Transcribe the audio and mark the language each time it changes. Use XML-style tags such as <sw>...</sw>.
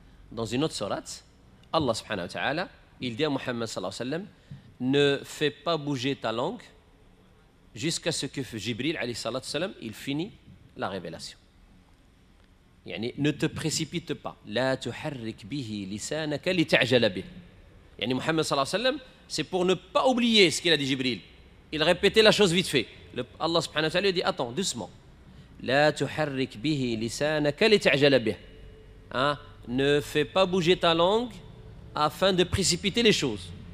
<fr>dans une autre sourate Allah subhanahu wa ta'ala il dit à Muhammad sallallahu alayhi wa sallam ne fais pas bouger ta langue jusqu'à ce que Jibril alayhi sallallahu alayhi wa sallam il finit la révélation. يعني ne te précipite pas.</fr> <ar>لا تحرك به لسانك لتعجل به.</ar> <fr>يعني Muhammad sallallahu alayhi wa sallam c'est pour ne pas oublier ce qu'il a dit Jibril. Il répétait la chose vite fait. Allah subhanahu wa ta'ala dit attends doucement.</fr> <ar>La tuharrik bihi lisanaka lit'ajal bih.</ar> <fr>Ne fais pas bouger ta langue afin de précipiter les choses.</fr>